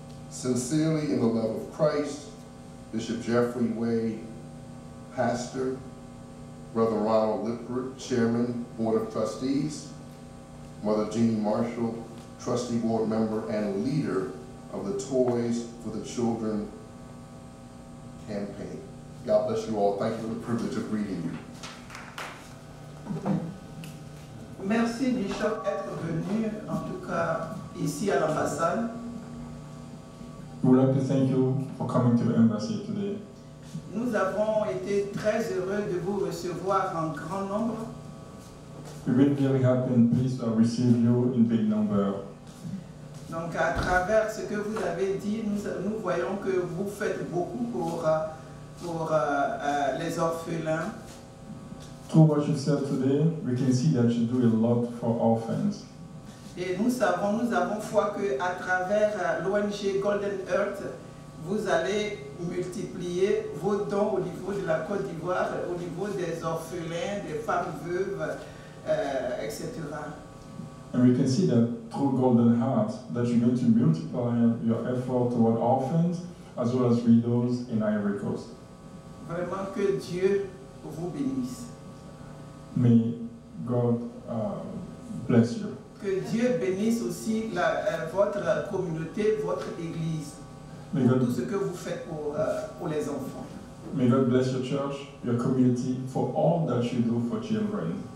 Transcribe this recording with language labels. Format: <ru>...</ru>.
<en>Sincerely, in the love of Christ, Bishop Jeffrey Way, Pastor, Brother Ronald Lippert, Chairman, Board of Trustees, Mother Jean Marshall, Trustee Board Member and Leader of the Toys for the Children campaign. God bless you all. Thank you for the privilege of greeting you.</en> <fr>Merci, Bishop, d'être venu, en tout cas, ici à l'ambassade.</fr> <en>We would like to thank you for coming to the embassy today.</en> <fr>Nous avons été très heureux de vous recevoir en grand nombre.</fr> <en>We've been very happy and pleased to have received you in big number.</en> <fr>Donc à travers ce que vous avez dit, nous voyons que vous faites beaucoup pour les orphelins.</fr> <en>Through what you said today, we can see that you do a lot for orphans.</en> <fr>Et nous avons foi que à travers l'ONG Golden Earth, vous allez multiplier vos dons au niveau de la Côte d'Ivoire, au niveau des orphelins, des femmes veuves, etc.</fr> <en>And we can see that through Golden Heart, that you're going to multiply your effort toward orphans as well as widows in Ivory Coast.</en> <fr>Vraiment que Dieu vous bénisse.</fr> <en>May God bless you.</en> <fr>Que Dieu bénisse aussi votre communauté, votre église, pour tout ce que vous faites pour les enfants.</fr> <en>May God bless your church, your community, for all that you do for children.</en>